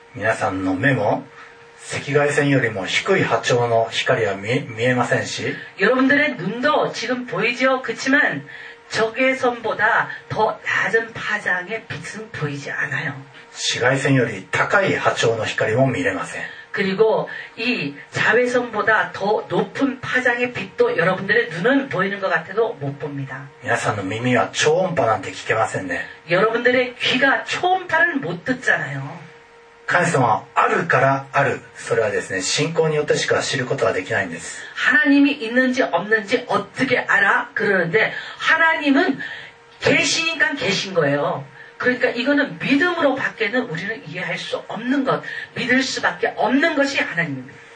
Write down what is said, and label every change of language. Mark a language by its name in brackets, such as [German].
[Japanese] 皆さんの目も赤外線よりも低い波長の光は見えませんし [Korean] 여러분들의눈도지금보이죠그렇지만적외선보다더낮은파장의빛은보이지않아요 [Japanese] 紫外線より高い波長の光も見れません [Korean] 그리고 이 자외선보다 더 높은 파장의 빛도 여러분들의 눈은 보이는 것 같아도 못 봅니다. [Japanese] 皆さんの耳は超音波なんて聞けませんね。 [Korean] 여러분들의 귀가 초음파를 못 듣잖아요. [Japanese] 神様あるからある。それはですね、信仰によってしか知ることはできないんです。 [Korean] 하나님이 있는지 없는지 어떻게 알아? 그러는데 하나님은 계시니까 계신 거예요. 그러니까 이거는 믿음으로 밖에는 우리는 이해할 수 없는 것, 믿을 수밖에 없는 것이 하나님입니다.